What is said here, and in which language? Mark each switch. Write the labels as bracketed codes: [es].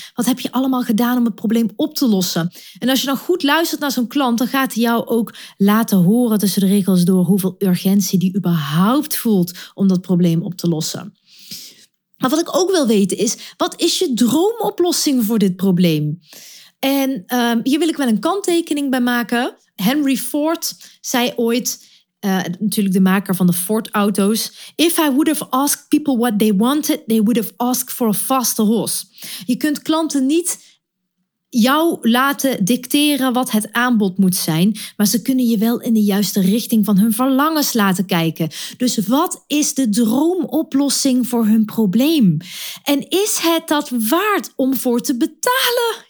[nl] Wat heb je allemaal gedaan om het probleem op te lossen? En als je dan goed luistert naar zo'n klant, dan gaat hij jou ook laten horen tussen de regels door hoeveel urgentie die überhaupt voelt om dat probleem op te lossen. Maar wat ik ook wil weten is, wat is je droomoplossing voor dit probleem? En hier wil ik wel een kanttekening bij maken. Henry Ford zei ooit, natuurlijk de maker van de Ford-auto's, [en] if I would have asked people what they wanted, they would have asked for a faster horse. [nl] Je kunt klanten niet jou laten dicteren wat het aanbod moet zijn, maar ze kunnen je wel in de juiste richting van hun verlangens laten kijken. Dus wat is de droomoplossing voor hun probleem? En is het dat waard om voor te betalen?